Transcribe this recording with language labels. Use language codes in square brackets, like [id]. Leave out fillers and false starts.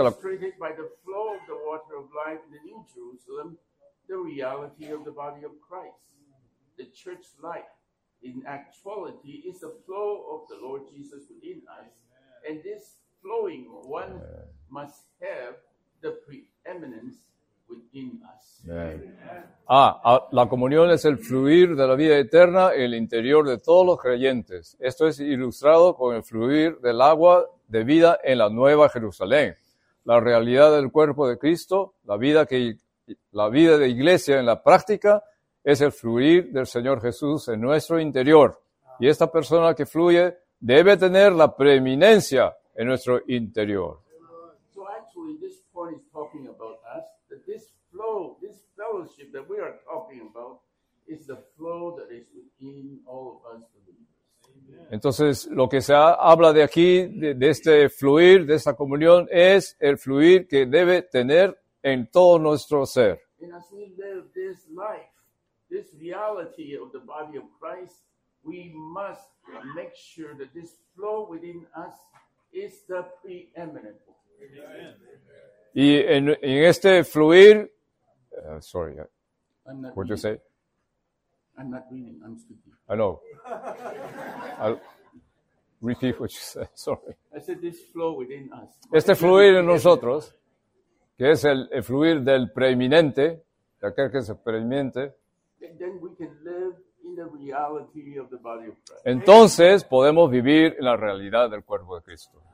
[en] illustrated by the flow of the water of life in the New Jerusalem, the reality of the body of Christ. The church life, in actuality, is the flow of the Lord Jesus within us. And this flowing one must have the preeminence within us. Amen. [es] La comunión es el fluir de la vida eterna en el interior de todos los creyentes. Esto es ilustrado con el fluir del agua de vida en la Nueva Jerusalén. La realidad del cuerpo de Cristo, la vida de iglesia en la práctica, es el fluir del Señor Jesús en nuestro interior. Y esta persona que fluye debe tener la preeminencia en nuestro interior. [en] So actually, this point is talking about us, that this flow, this fellowship that we are talking about, is the flow that is within all of us believers. [es] Entonces, lo que se habla de aquí, de este fluir, de esta comunión, es el fluir que debe tener en todo nuestro ser. [en] And as we live this life, this reality of the body of Christ, We must make sure that this flow within us is the preeminent. [es] Y en este fluir, [en] sorry, what did you say? I'm not reading, I'm speaking. I know. I'll repeat what you said, sorry. I said this flow within us. [es] Este fluir en nosotros, que es el fluir del preeminente, de aquel que es el preeminente. [en] And then we can live in the reality of the body of Christ. [es] Entonces podemos vivir en la realidad del cuerpo de Cristo.